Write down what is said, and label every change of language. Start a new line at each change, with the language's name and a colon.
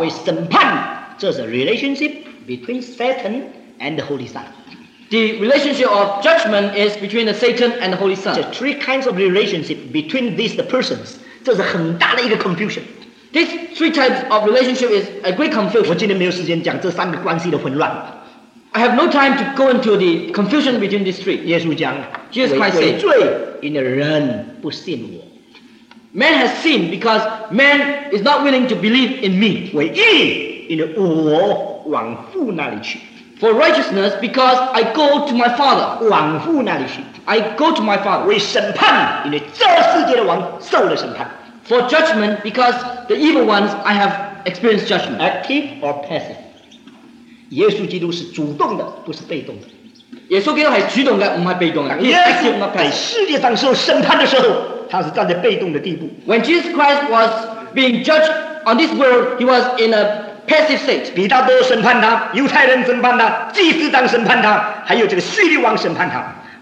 Chinese: 为审判.这是
English: relationship between Satan and the Holy Son. The relationship of judgment is between the Satan and the Holy Son. There are three kinds of relationship between these persons.
Chinese: 这是很大的一个 confusion.
English: These three types of relationship is a great confusion.
Chinese: 我今天没有时间讲这三个关系的混乱.
English: I have no time to go into the confusion between these three.
Chinese: 耶稣讲,
English: Jesus Christ said,
Chinese: 为罪,因人不信我.
English: Man has sinned because man is not willing to believe in me.
Chinese: 为义, 因我往父那里去.
English: For righteousness, because I go to my Father.
Chinese: 往父那里去.
English: I go to my Father.
Chinese: 为审判, 因为这世界的王受了审判.
English: For judgment, because the evil ones, I have experienced judgment. Active or passive?
Chinese: 耶稣基督是主动的, 不是被动的. 耶稣基督还是主动的, 不是被动的. Yes, 在世界上受审判的时候, 他是站在被动的地步.
English: When Jesus Christ was being judged on this world, he was in a passive state.
Chinese: 比大多审判他, 犹太人审判他, 祭司长审判他, 还有这个叙利王审判他.